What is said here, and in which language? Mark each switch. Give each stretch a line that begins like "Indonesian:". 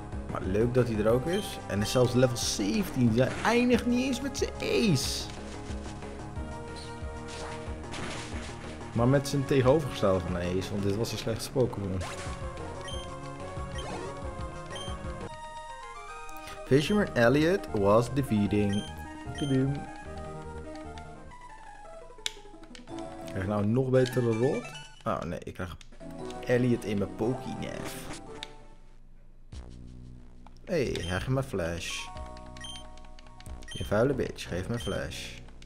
Dutch: Maar leuk dat hij er ook is. En is zelfs level 17. Hij eindigt niet eens met zijn ace. Maar met zijn tegenovergestelde van ace. Want dit was een slechte Pokémon.
English: Fisherman Elliot was defeating. Kadoom.
Dutch: Krijg ik nou een nog betere rol? Oh nee, ik krijg Elliot in mijn Pokénef. Hé, hij geeft me flash. Je vuile bitch, geef me flash.